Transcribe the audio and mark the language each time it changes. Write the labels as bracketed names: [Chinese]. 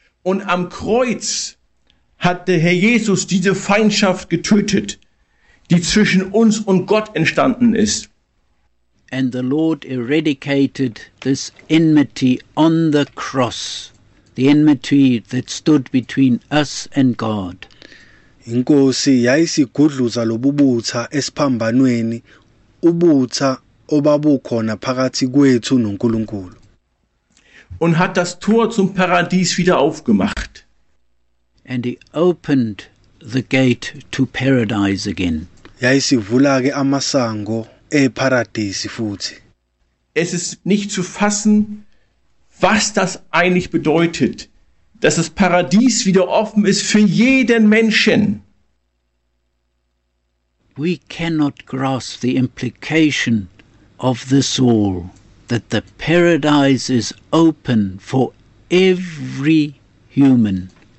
[German] Und am Kreuz hat der Herr Jesus diese Feindschaft getötet, die zwischen uns und Gott entstanden ist. [English] And the Lord eradicated this enmity on the cross, the enmity that stood between us and God. [Zulu] Inkosi yayisigudluza lobubutha esiphambanweni, ubutha obabukhona phakathi kwethu noNkulunkulu. [German] Und hat das Tor zum Paradies wieder aufgemacht. [English] And he opened the gate to paradise again. [Zulu] Yayisivulake amasango eParadise futhi. [German] Es ist nicht zu fassen, was das eigentlich bedeutet, dass das Paradies wieder offen ist für jeden Menschen. [English] We cannot grasp the implication of this all. That the paradise is open for every human.